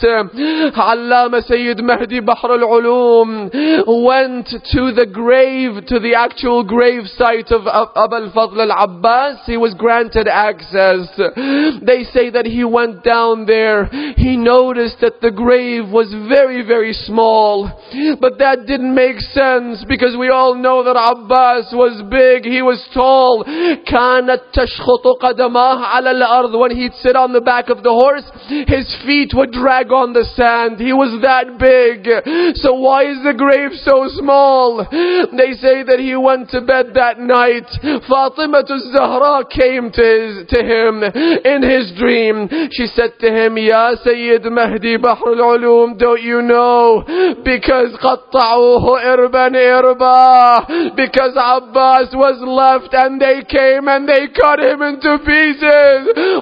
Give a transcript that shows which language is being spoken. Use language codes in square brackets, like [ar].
[en] Allama Sayyid Mahdi Bahr al-Ulum went to the grave, to the actual grave site of Abu al-Fadl al-Abbas. He was granted access. They say that he went down there. He noticed that the grave was very, very small. But that didn't make sense, because we all know that Abbas was big. He was tall. [ar] كانت تشخط قدماه على الأرض. [en] When he'd sit on the back of the horse, his feet would drag on the sand. He was that big. So why is the grave so small? They say that he went to bed that night. فاطمة الزهراء came to him. In his dream, she said to him, "Ya Sayyid Mahdi Bahr al-Ulum, don't you know? Because [ar] قَطَّعُوهُ إِرْبًا إِرْبًا. [en] Because Abbas was left and they came and they cut him into pieces.